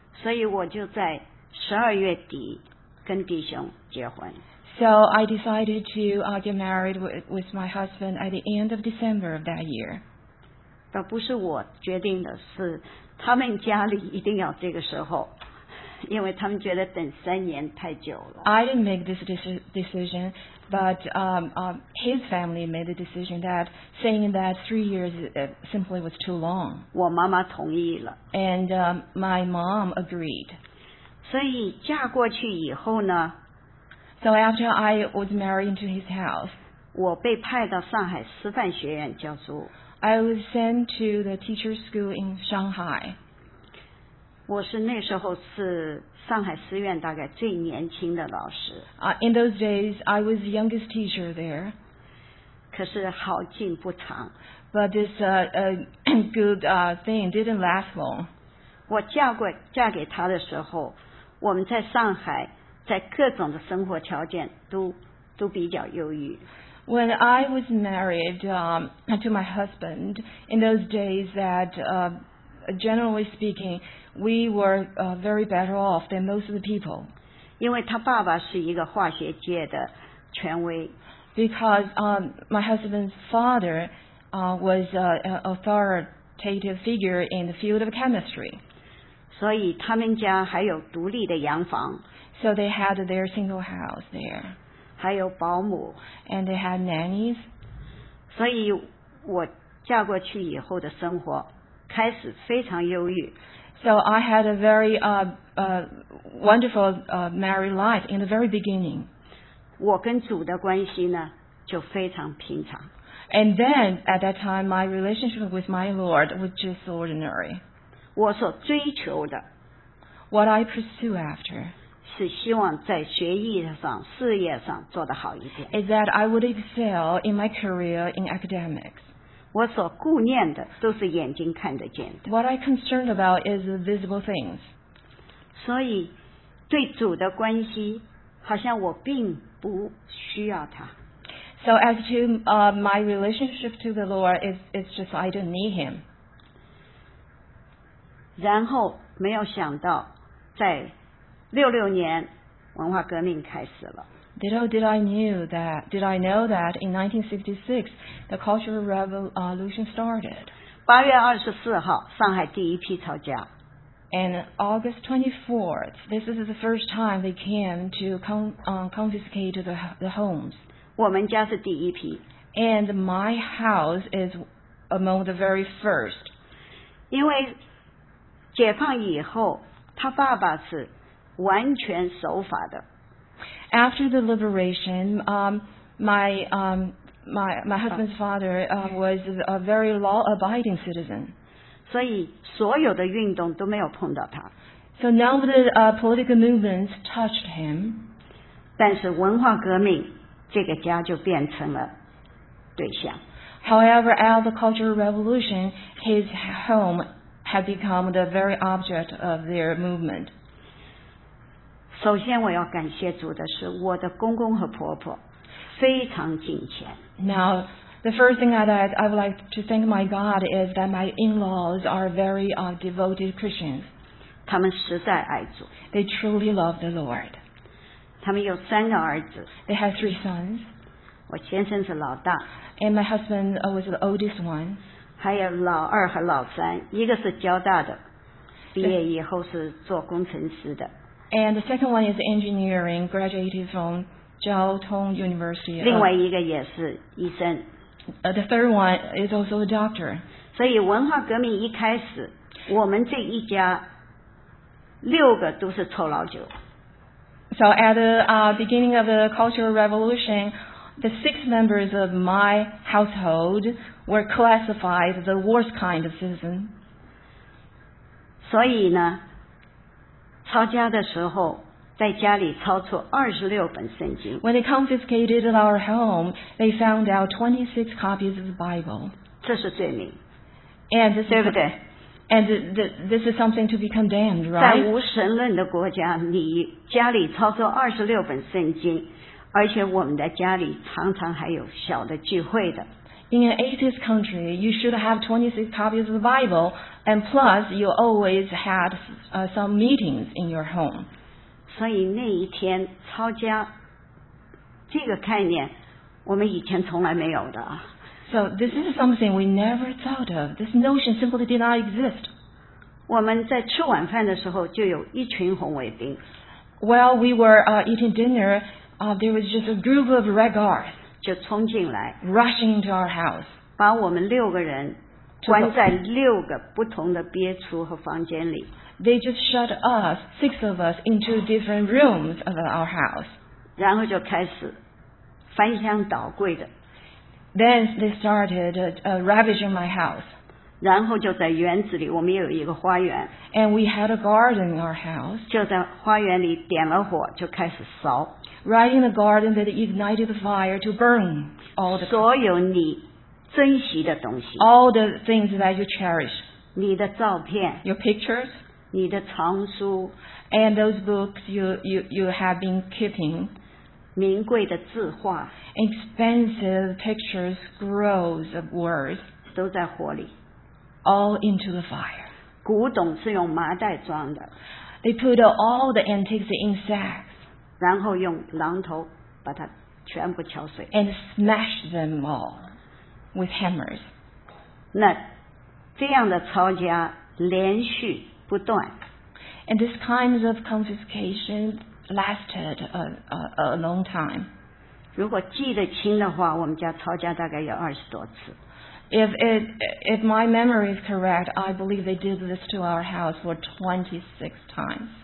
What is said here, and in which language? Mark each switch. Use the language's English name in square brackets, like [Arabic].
[Chinese] 所以我就在12月底跟弟兄结婚。 [English] So I decided to get married with my husband at the end of December of that year. [Chinese] 但不是我决定的，是他们家里一定要这个时候，因为他们觉得等三年太久了。 [English] I didn't make this decision, but his family made the decision that saying that 3 years simply was too long. [Chinese] 我妈妈同意了。 [English] And my mom agreed. [Chinese] 所以嫁过去以后呢？ [English] So after I was married into his house, [Chinese] 我被派到上海师范学院教书。 [English] I was sent to the teacher school in Shanghai. [Chinese] 我是那时候是上海师院大概最年轻的老师。 [English] In those days, I was the youngest teacher there. [Chinese] 可是好景不长。 [English] But this good thing didn't last long. [Chinese] 我嫁给他的时候，我们在上海在各种的生活条件都比较优越。 [English] When I was married to my husband, in those days that generally speaking, we were very better off than most of the people. [Chinese] 因为他爸爸是一个化学界的权威。 [English] Because my husband's father was an authoritative figure in the field of chemistry. [Chinese] 所以他们家还有独立的洋房。 [English] So they had their single house there. [Chinese] 还有保姆。 [English] And they had nannies. [Chinese] 所以我嫁过去以后的生活开始非常忧郁。 [English] So I had a very wonderful married life in the very beginning. [Chinese] 我跟主的关系呢就非常平常。 [English] And then at that time, my relationship with my Lord was just ordinary. [Chinese] 我所追求的 [English] What I pursue after [Chinese] 是希望在学业上、事业上做得好一点。 [English] Is that I would excel in my career in academics. [Chinese] 我所顾念的都是眼睛看得见的。 [English] What I concerned about is the visible things. [Chinese] 所以对主的关系好像我并不需要他。 [English] So as to my relationship to the Lord, it's just I don't need him. [Chinese] 然后没有想到在66年文化革命开始了。 [English] Did I know that in 1966 the Cultural Revolution started? [Chinese] 8月24号，上海第一批吵架。 [English] And August 24th, this is the first time they came to confiscate the homes. [Chinese] 我们家是第一批。 [English] And my house is among the very first. [Chinese] 因为解放以后，他爸爸是完全守法的。 [English] After the liberation, my husband's father was a very law-abiding citizen. [Chinese] 所以所有的运动都没有碰到他。 [English] So none of the political movements touched him. [Chinese] 但是文化革命这个家就变成了对象。 [English] However, at the Cultural Revolution, his home had become the very object of their movement. [Chinese] 首先我要感谢主的是我的公公和婆婆非常敬虔。 [English] Now, the first thing that I would like to thank my God is that my in-laws are very devoted Christians. [Chinese] 他们实在爱主。 [English] They truly love the Lord. [Chinese] 他们有三个儿子。 [English] They have three sons. [Chinese] 我先生是老大。 [English] And my husband was the oldest one. [Chinese] 还有老二和老三，一个是交大的，毕业以后是做工程师的。 [English] And the second one is engineering, graduated from Jiao Tong University. [Chinese] 另外一个也是医生。 [English] The third one is also a doctor. [Chinese] 所以文化革命一开始，我们这一家六个都是臭老九。 [English] So at the beginning of the Cultural Revolution, the six members of my household were classified as the worst kind of citizen. [Chinese] 所以呢抄家的时候，在家里抄出26本圣经。 [English] When they confiscated our home, they found out 26 copies of the Bible. [Chinese] 这是罪名。 [English] And this, [Chinese] 对不对 [English] ？And this is something to be condemned, right? [Chinese] 在无神论的国家，你家里抄出26本圣经，而且我们的家里常常还有小的聚会的。 [English] In an atheist country, you should have 26 copies of the Bible, and plus, you always had some meetings in your home. [Chinese] 所以那一天抄家这个概念，我们以前从来没有的。 [English] So this is something we never thought of. This notion simply did not exist. [Chinese] 我们在吃晚饭的时候就有一群红卫兵。 [English] While we were eating dinner, there was just a group of red guards. [Chinese] 就冲进来 [English] rushing into our house [Chinese] 把我们六个人关在六个不同的憋出和房间里 [English] they just shut us six of us into different rooms of our house [Chinese] 然后就开始翻箱倒柜的 [English] then they started ravaging my house [Chinese] 然后就在园子里我们有一个花园 [English] and we had a garden in our house [Chinese] 就在花园里点了火就开始烧 [English] Right in the garden that ignited the fire to burn all the [Chinese] 所有你珍惜的东西 [English] all the things that you cherish [Chinese] 你的照片 [English] your pictures [Chinese] 你的藏书 [English] and those books you have been keeping [Chinese] 名贵的字画 [English] expensive pictures scrolls of words [Chinese] 都在火里 [English] all into the fire [Chinese] 古董是用麻袋装的 [English] they put all the antiques in sacks. [Chinese] 然后用榔头把它全部敲碎 [English] and smash them all with hammers [Chinese] 那这样的抄家连续不断 [English] and this kind of confiscation lasted a long time [Chinese] 如果记得清的话我们家抄家大概有20多次 [English] if my memory is correct I believe they did this to our house for 26 times